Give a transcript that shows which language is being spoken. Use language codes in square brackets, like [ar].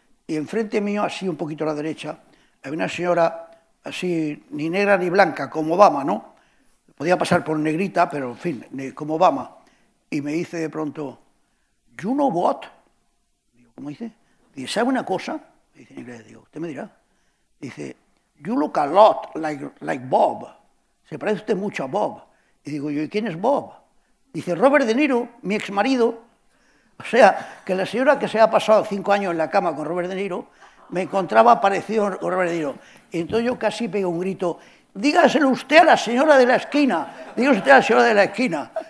[es] Y enfrente mío, así un poquito a la derecha, había una señora así, ni negra ni blanca, como Obama, ¿no? Podía pasar por negrita, pero en fin, como Obama. Y me dice de pronto, [en] ¿you know what? [es] Digo, ¿cómo dice? Dice, ¿sabe una cosa? Dice en inglés, digo, ¿usted me dirá? Dice, [en] you look a lot like Bob. [es] Se parece usted mucho a Bob. Y digo yo, ¿y quién es Bob? Dice, Robert De Niro, mi ex marido. O sea, que la señora que se ha pasado 5 años en la cama con Robert De Niro, me encontraba parecido con Robert De Niro. Y entonces yo casi pegué un grito, dígaselo usted a la señora de la esquina, dígaselo usted a la señora de la esquina.